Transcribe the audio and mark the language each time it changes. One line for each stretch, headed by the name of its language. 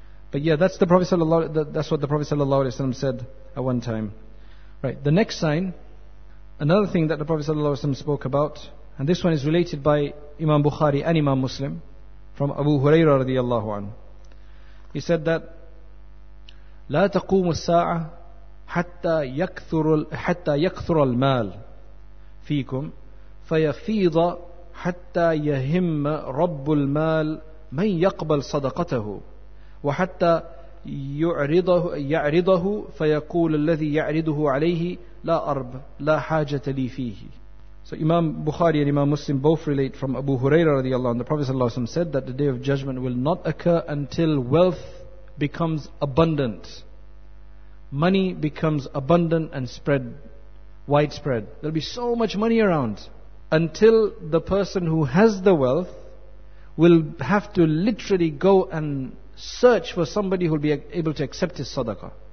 English: But yeah, that's the Prophet sallallahu alaihi wasallam, that's what the Prophet sallallahu alaihi wasallam said at one time. Right, the next sign, another thing that the Prophet sallallahu alaihi wasallam spoke about, and this one is related by Imam Bukhari and Imam Muslim, from Abu Hurairah radiallahu anhu. He said that
Arabic: لا تقوم الساعة حتى يكثر المال فيكم فيفيض حتى يهم رب المال من يقبل صدقته وحتى يعرضه فيقول الذي يعرضه عليه لا أرب لا حاجة لي فيه.
English: So Imam Bukhari and Imam Muslim both relate from Abu Hurairah radiallahu anhu, the Prophet sallallahu alaihi wasallam said that the day of judgment will not occur until wealth becomes abundant. Money becomes abundant and spread, widespread. There'll be so much money around until the person who has the wealth will have to literally go and search for somebody who'll be able to accept his sadaqah.